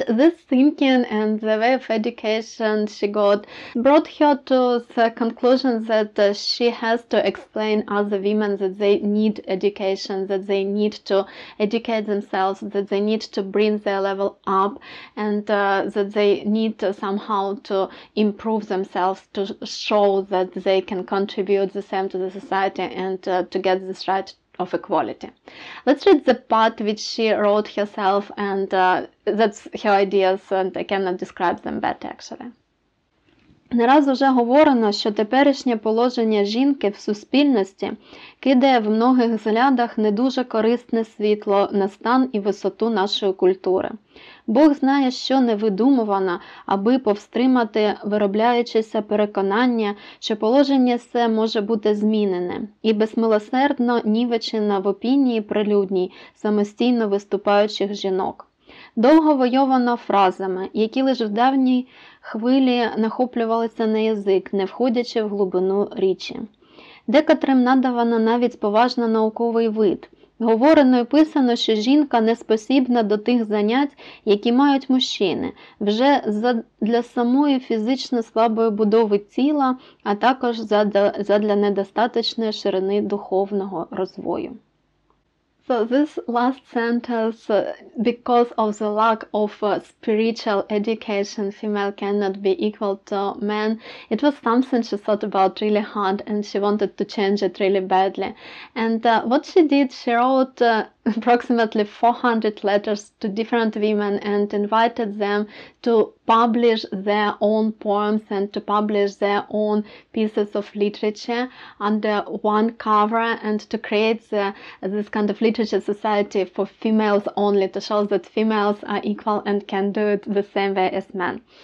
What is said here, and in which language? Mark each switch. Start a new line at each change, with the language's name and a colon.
English: This thinking and the way of education she got brought her to the conclusion that she has to explain other women that they need education, that they need to educate themselves, that they need to bring their level up, and that they need to somehow to improve themselves, to show that they can contribute the same to the society, and to get this right of equality. Let's read the part which she wrote herself, and that's her ideas, and I cannot describe them better actually.
Ukrainian: Не раз уже говорено, що теперішнє положення жінки в суспільності кидає в многих взглядах не дуже корисне світло на стан і висоту нашої культури. Бог знає, що не видумувано, аби повстримати виробляючеся переконання, що положення це може бути змінене і безмилосердно нівечено в опінії прилюдній самостійно виступаючих жінок. Довго войовано фразами, які лише в давній хвилі нахоплювалися на язик, не входячи в глибину річі. Декотрим надавано навіть поважно науковий вид. Говорено і писано, що жінка не спосібна до тих занять, які мають мужчини, вже для самої фізично слабої будови тіла, а також задля недостатньої ширини духовного розвою.
English: So this last sentence, because of the lack of spiritual education, female cannot be equal to man. It was something she thought about really hard, and she wanted to change it really badly. And what she did, she wrote approximately 400 letters to different women and invited them to publish their own poems and to publish their own pieces of literature under one cover, and to create this kind of literature society for females only, to show that females are equal and can do it the same way as men.